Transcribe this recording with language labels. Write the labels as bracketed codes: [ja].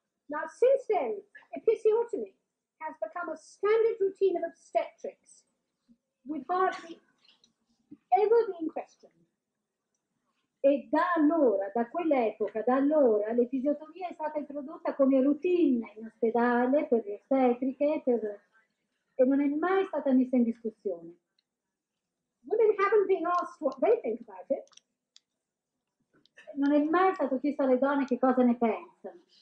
[en] Now since then, episiotomy has become a standard routine of obstetrics, with hardly ever being questioned. [it] E da allora, da quell'epoca, da allora, l'episiotomia è stata introdotta come routine in ospedale, per le ostetriche, e non è mai stata messa in discussione. [en] Women haven't been asked what they think about it. [it] Non è mai stato chiesto alle donne che cosa ne pensano.